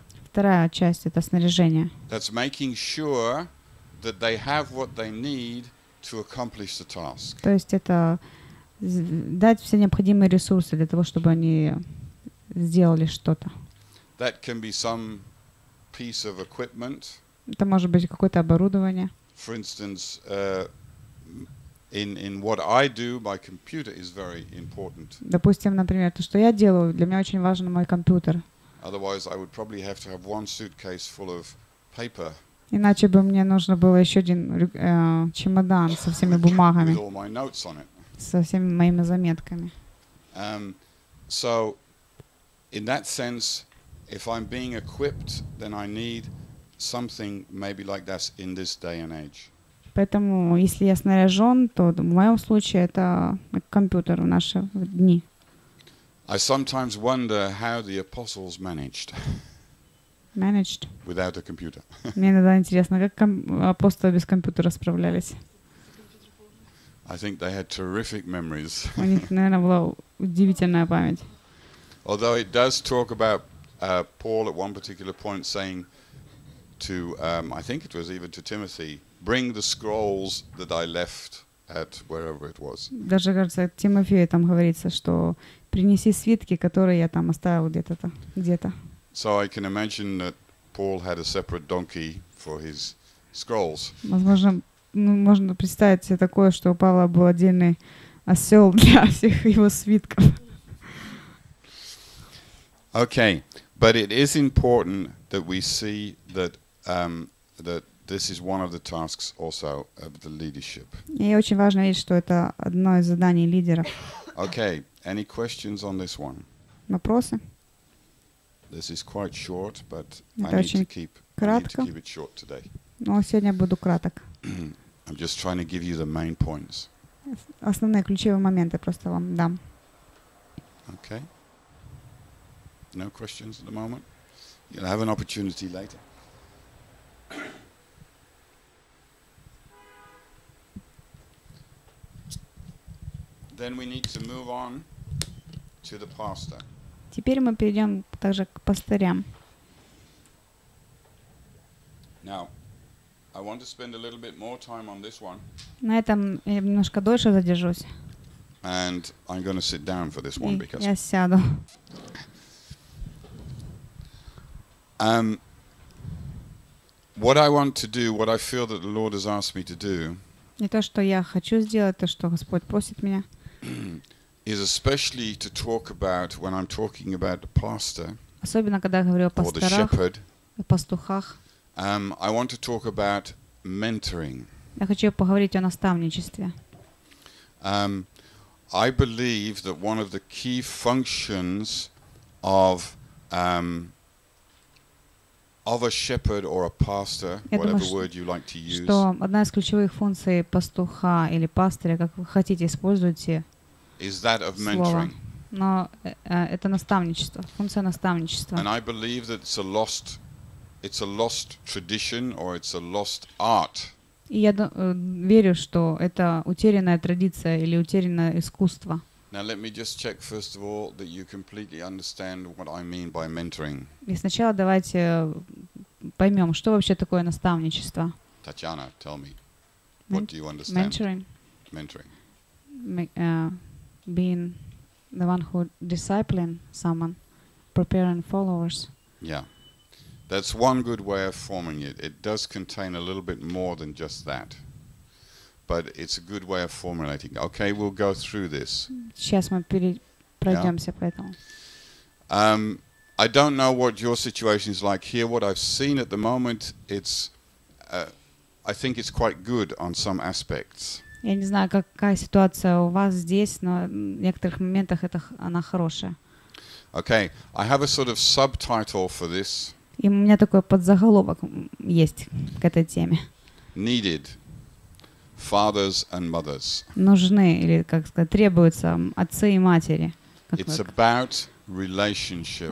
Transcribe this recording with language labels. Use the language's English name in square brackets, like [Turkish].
[Russian] Вторая часть — это снаряжение. [English] That's making sure that they have what they need to accomplish the task. [Russian] То есть это дать все необходимые ресурсы для того, чтобы они сделали что-то. [English] That can be some piece of equipment. [Russian] Это может быть какое-то оборудование. [English] For instance, in what I do, my computer is very important. [Russian] Допустим, например, то, что я делаю, для меня очень важен мой компьютер. [English] Otherwise, I would probably have to have one suitcase full of paper. [Russian] Иначе бы мне нужно было еще один чемодан со всеми бумагами. [English] With all my notes on it. [Russian] Со всеми моими заметками. [English] So, in that sense, if I'm being equipped, then I need something maybe like that in this day and age. [Russian] Поэтому, если я снаряжен, то в моем случае это компьютер в наши дни. [English] I sometimes wonder how the apostles managed. Managed. Without a computer. [Russian] Мне иногда интересно, как апостолы без компьютера справлялись. [English] I think they had terrific memories. [Russian] У них, наверное, была удивительная память. [English] Although it does talk about Paul at one particular point saying to, I think it was even to Timothy, bring the scrolls that I left at wherever it was. [Russian] Даже, кажется, Тимофею там говорится, что принеси свитки, которые я там оставил где-то. [English] So I can imagine that Paul had a separate donkey for his scrolls. [Russian] Возможно, можно представить себе такое, что у Павла был отдельный осёл для всех его свитков. [English] Okay, but it is important that we see that that this is one of the tasks also of the leadership. [Russian] И очень важно видеть, что это одно из заданий лидеров. [English] Okay, any questions on this one? [Russian] Вопросы? [English] This is quite short, but I need to keep it short today. [Russian] Но сегодня буду краток. [English] I'm just trying to give you the main points. [Russian] Основные ключевые моменты просто вам дам. [English] Okay. No questions at the moment. You'll have an opportunity later. Then we need to move on to the pastor. [Russian] Теперь мы перейдем также к пастырям. [English] Now, I want to spend a little bit more time on this one. [Russian] На этом я немножко дольше задержусь. [English] And I'm going to sit down for this one because. [Russian] Я сяду. [English] What I want to do, what I feel that the Lord has asked me to do. [Russian] Не то, что я хочу сделать, то, что Господь просит меня. [English] Is especially to talk about when I'm talking about the pastor. [Russian] Особенно когда я говорю о пасторах, [English] or the shepherd, [Russian] о пастухах. [English] I want to talk about mentoring. [Russian] Я хочу поговорить о наставничестве. [English] I believe that one of the key functions of a shepherd or a pastor, whatever word you like to use. [Russian] Что одна из ключевых функций пастуха или пастыря, как вы хотите используйте. [English] Is that of mentoring? [Russian] Но это наставничество, функция наставничества. [English] And I believe that it's a lost tradition or it's a lost art. [Russian] И я верю, что это утерянная традиция или утерянное искусство. [English] Now let me just check first of all that you completely understand what I mean by mentoring. [Russian] И сначала давайте поймем, что вообще такое наставничество. [English] Татьяна, tell me, what do you understand? Mentoring. Being the one who discipling someone, preparing followers. Yeah. That's one good way of forming it. It does contain a little bit more than just that. But it's a good way of formulating. Okay, we'll go through this. [Russian] Сейчас мы пройдемся по этому. [English] I don't know what your situation is like here. What I've seen at the moment, I think it's quite good on some aspects. [Russian] Я не знаю, какая ситуация у вас здесь, но в некоторых моментах она хорошая. [English] Okay, I have a sort of subtitle for this. [Russian] И у меня такой подзаголовок есть к этой теме. [English] Needed. Fathers and mothers. [Russian] Нужны или, как сказать, требуются отцы и матери. [English] It's about relationship.